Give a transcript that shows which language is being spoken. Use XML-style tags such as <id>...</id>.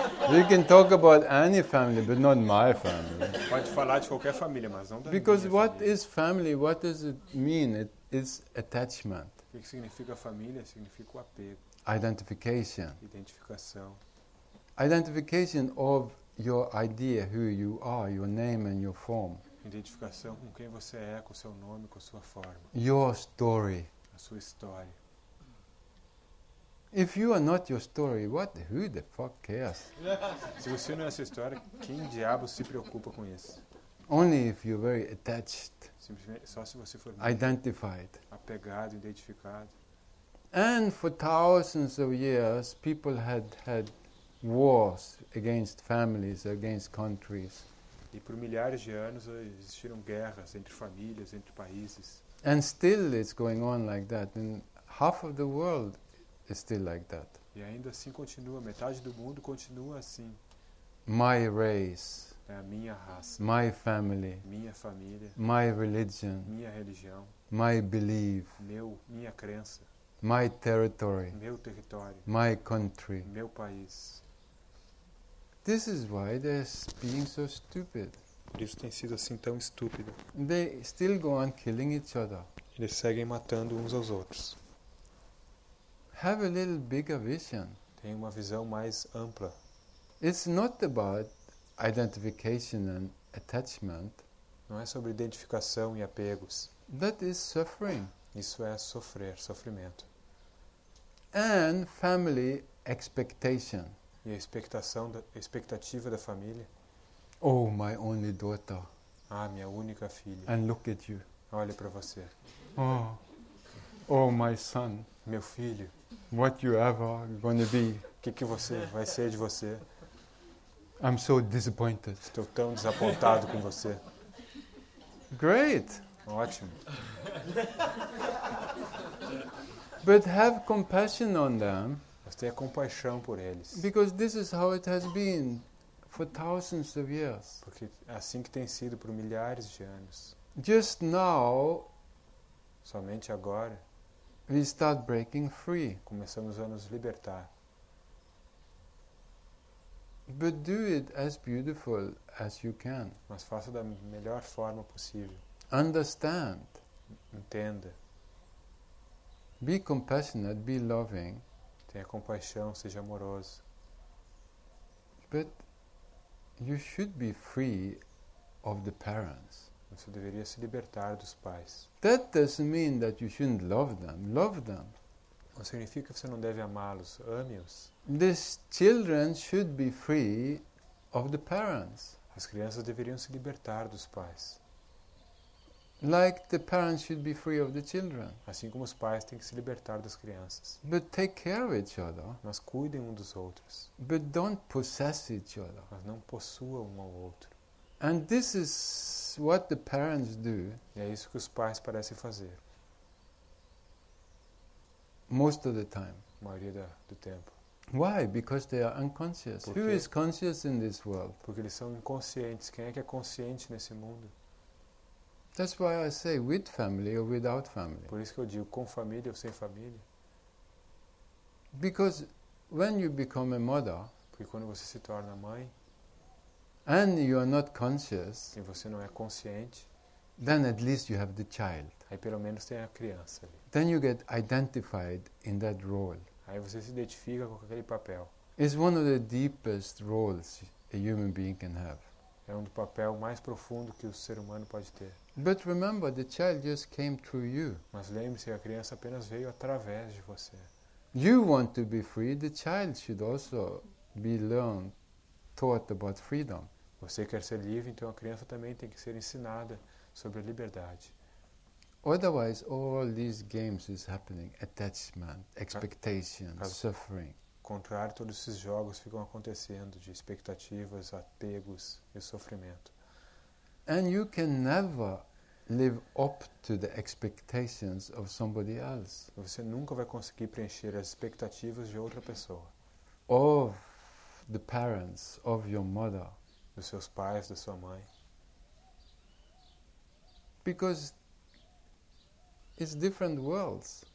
<en>We can talk about any family, but not my family.</en> <pt>Pode falar de qualquer família, mas não da</pt> <en>Because</en> <pt>minha</pt> <en>what</en> <pt>família.</pt> <en>Is family? What does it mean? It is attachment.</en> <pt>O que significa família? Significa o apego.</pt> <en>Identification.</en> <pt>Identificação.</pt> <en>Identification of your idea, who you are, your name and your form.</en> <pt>Identificação com quem você é, com seu nome, com sua forma.</pt> <en>Your story.</en> <pt>A sua história.</pt> <en>If you are not your story, what? Who the fuck cares?</en> <pt>Se você não é sua história, quem diabo se preocupa com isso?</pt> <en>Only if you're very attached.</en> <pt>Só se você for</pt> <en>identified.</en> <pt>Apegado, identificado.</pt> <en>And for thousands of years, people had wars against families, against countries.</en> <pt>E por milhares de anos existiram guerras entre famílias, entre países.</pt> <en>And still it's going on like that. And half of the world is still like that.</en> <pt>E ainda assim continua, metade do mundo continua assim.</pt> <en>My race.</en> <pt>É a minha raça.</pt> <en>My family.</en> <pt>Minha família.</pt> <en>My religion.</en> <pt>Minha religião.</pt> <en>My belief.</en> <pt>Minha crença.</pt> <en>My territory.</en> <pt>Meu território.</pt> <en>My country.</en> <pt>Meu país.</pt> <en>This is why they're being so stupid.</en> <pt>Por isso tem sido assim tão estúpido.</pt> <en>They still go on killing each other.</en> <pt>Eles seguem matando uns aos outros.</pt> <en>Have a little bigger vision.</en> <pt>Tem uma visão mais ampla.</pt> <en>It's not about identification and attachment.</en> <pt>Não é sobre identificação e apegos.</pt> <en>That is suffering.</en> <pt>Isso é sofrer, sofrimento.</pt> <en>And family expectation.</en> <pt>E a expectação da expectativa da família.</pt> <en>Oh, my only daughter.</en> <pt>Ah, minha única filha.</pt> <en>And look at you.</en> <pt>Olhe para você.</pt> <en>Oh, my son.</en> <pt>Meu filho.</pt> <en>What you ever gonna be?</en> <pt>Que você vai ser de você?</pt> <en>I'm so disappointed.</en> <pt>Estou tão desapontado com você.</pt> <en>Great.</en> <pt>Ótimo.</pt> <en>But have compassion on them.</en> <pt>Mas tenha compaixão por eles.</pt> <en>Because this is how it has been for thousands of years.</en> <pt>Porque é assim que tem sido por milhares de anos.</pt> <en>Just now.</en> <pt>Somente agora.</pt> <en>We start breaking free.</en> <pt>Começamos a nos libertar.</pt> <en>But do it as beautiful as you can.</en> <pt>Mas faça da melhor forma possível.</pt> <en>Understand.</en> <pt>Entenda.</pt> <en>Be compassionate, be loving.</en> <pt>Tenha compaixão, seja amoroso.</pt> <en>But you should be free of the parents.</en> <pt>Você deveria se libertar dos pais.</pt> <en>That doesn't mean that you shouldn't love them. Love them.</en> <pt>Não significa que você não deve amá-los. Ame-os.</pt> <en>These children should be free of the parents.</en> <pt>As crianças deveriam se libertar dos pais.</pt> <en>Like the parents should be free of the children.</en> <pt>Assim como os pais têm que se libertar das crianças.</pt> <en>But take care of each other.</en> <pt>Mas cuidem um dos outros.</pt> <en>But don't possess each other.</en> <pt>Mas não possuam um ao outro.</pt> <en>And this is what the parents do.</en> <pt>E é isso que os pais parecem fazer.</pt> <en>Most of the time.</en> <pt>A maioria do tempo.</pt> <en>Why? Because they are unconscious.</en> <pt>Porque?</pt> <en>Who is conscious in this world?</en> <pt>Porque eles são inconscientes. Quem é que é consciente nesse mundo?</pt> <en>That's why I say with family or without family.</en> <pt>Por isso que eu digo com família ou sem família.</pt> <en>Because when you become a mother,</en> <pt>porque quando você se torna mãe,</pt> <en>and you are not conscious,</en> <pt>e você não é consciente,</pt> <en>then at least you have the child.</en> <pt>Aí pelo menos tem a criança ali.</pt> <en>Then you get identified in that role.</en> <pt>Aí você se identifica com aquele papel.</pt> <en>It's one of the deepest roles a human being can have.</en> <pt>É um papel mais profundo que o ser humano pode ter.</pt> <en>But remember, the child just came through you.</en> <pt>Mas lembre-se, a criança apenas veio através de você.</pt> <en>You want to be free, the child should also be learned, taught about freedom.</en> <pt>Você quer ser livre, então a criança também tem que ser ensinada sobre a liberdade.</pt> <en>Otherwise, all these games is happening, attachment, expectations, suffering.</en> <pt>Contrário, todos esses jogos ficam acontecendo de expectativas, apegos e sofrimento.</pt> <en>And you can never live up to the expectations of somebody else.</en> <pt>Você nunca vai conseguir preencher as expectativas de outra pessoa.</pt> <en>Of the parents, of your mother.</en> <pt>Dos seus pais, da sua mãe.</pt> <en>Because it's different worlds.</en>